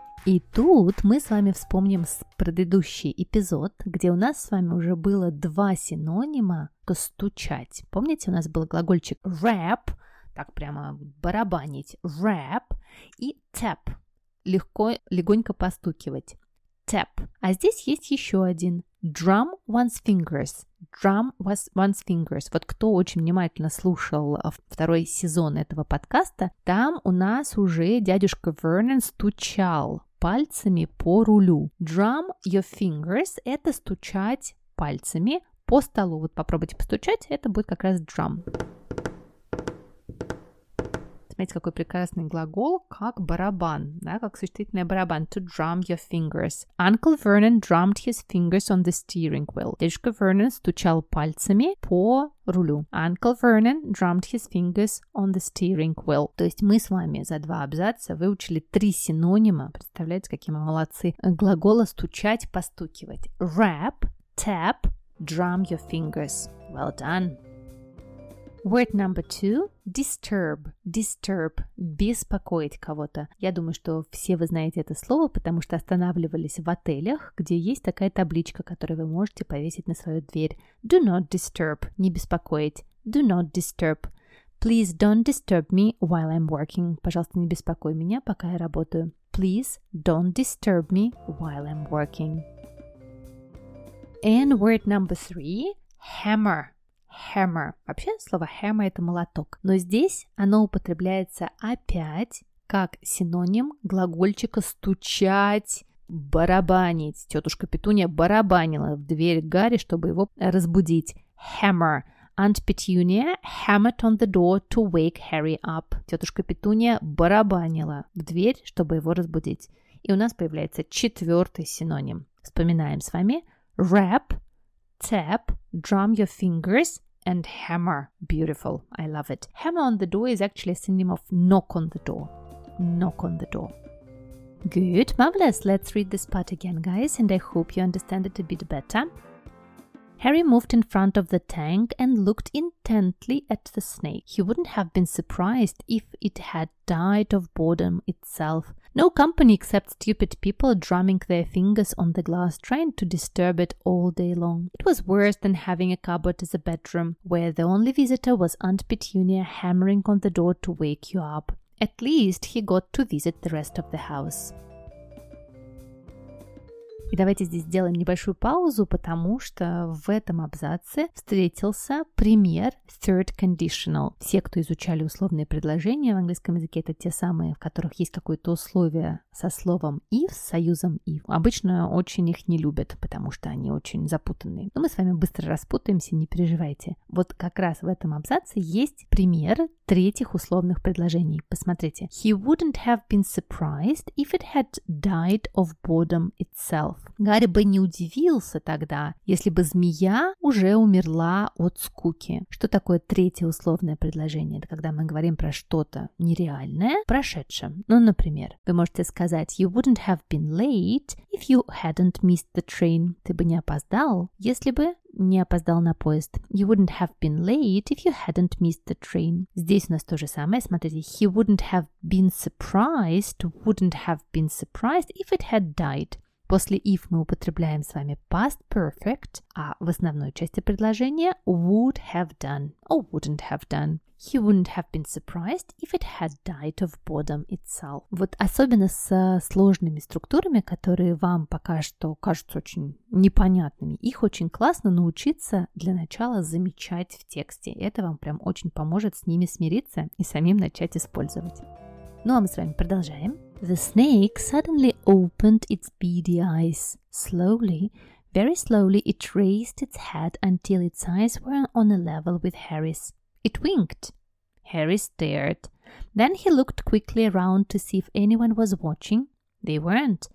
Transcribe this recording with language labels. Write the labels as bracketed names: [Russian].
[Russian] И тут мы с вами вспомним предыдущий эпизод, где у нас с вами уже было два синонима к «стучать». Помните, у нас был глагольчик «rap», так прямо барабанить, «rap», и «tap», легко, легонько постукивать, «tap». А здесь есть еще один [English] «drum one's fingers», «drum one's fingers». [Russian] Вот кто очень внимательно слушал второй сезон этого подкаста, там у нас уже дядюшка Вернон стучал пальцами по рулю. [English] Drum your fingers [Russian] – это стучать пальцами по столу. Вот попробуйте постучать, это будет как раз drum. Смотрите, какой прекрасный глагол, как барабан, да, как существительный барабан. [English] To drum your fingers. Uncle Vernon drummed his fingers on the steering wheel. [Russian] Дедушка Вернон стучал пальцами по рулю. [English] Uncle Vernon drummed his fingers on the steering wheel. [Russian] То есть мы с вами за два абзаца выучили три синонима. Представляете, какие мы молодцы. Глагола стучать, постукивать. [English] Rap, tap, drum your fingers. Well done. Word number two – disturb. [Russian] Disturb – беспокоить кого-то. Я думаю, что все вы знаете это слово, потому что останавливались в отелях, где есть такая табличка, которую вы можете повесить на свою дверь. [English] Do not disturb – [Russian] не беспокоить. [English] Do not disturb. Please don't disturb me while I'm working. [Russian] Пожалуйста, не беспокой меня, пока я работаю. [English] Please don't disturb me while I'm working. And word number three – hammer. Hammer. [Russian] Вообще слово hammer – это молоток. Но здесь оно употребляется опять как синоним глагольчика «стучать», «барабанить». Тетушка Петунья барабанила в дверь Гарри, чтобы его разбудить. [English] Hammer. Aunt Petunia hammered on the door to wake Harry up. [Russian] Тетушка Петунья барабанила в дверь, чтобы его разбудить. И у нас появляется четвертый синоним. Вспоминаем с вами. [English] Rap, tap, drum your fingers. And hammer. Beautiful. I love it. Hammer on the door is actually a synonym of knock on the door. Knock on the door. Good. Marvelous. Let's read this part again, guys, and I hope you understand it a bit better. Harry moved in front of the tank and looked intently at the snake. He wouldn't have been surprised if it had died of boredom itself. No company except stupid people drumming their fingers on the glass, trying to disturb it all day long. It was worse than having a cupboard as a bedroom, where the only visitor was Aunt Petunia hammering on the door to wake you up. At least he got to visit the rest of the house. [Russian] И давайте здесь сделаем небольшую паузу, потому что в этом абзаце встретился пример third conditional. Все, кто изучали условные предложения в английском языке, это те самые, в которых есть какое-то условие со словом if, с союзом if. Обычно очень их не любят, потому что они очень запутанные. Но мы с вами быстро распутаемся, не переживайте. Вот как раз в этом абзаце есть пример третьих условных предложений. Посмотрите. [English] He wouldn't have been surprised if it had died of boredom itself. [Russian] Гарри бы не удивился тогда, если бы змея уже умерла от скуки. Что такое третье условное предложение? Это когда мы говорим про что-то нереальное в прошедшем. Ну, например, вы можете сказать [English] «You wouldn't have been late if you hadn't missed the train». [Russian] Ты бы не опоздал, если бы не опоздал на поезд. [English] «You wouldn't have been late if you hadn't missed the train». [Russian] Здесь у нас то же самое. Смотрите, [English] «He wouldn't have been surprised, wouldn't have been surprised if it had died». [Russian] После if мы употребляем с вами past perfect, а в основной части предложения [English] would have done or wouldn't have done. He wouldn't have been surprised if it had died of boredom itself. [Russian] Вот особенно с сложными структурами, которые вам пока что кажутся очень непонятными, их очень классно научиться для начала замечать в тексте. Это вам прям очень поможет с ними смириться и самим начать использовать. Ну а мы с вами продолжаем. [English] The snake suddenly opened its beady eyes. Slowly, very slowly, it raised its head until its eyes were on a level with Harry's. It winked. Harry stared. Then he looked quickly around to see if anyone was watching. They weren't.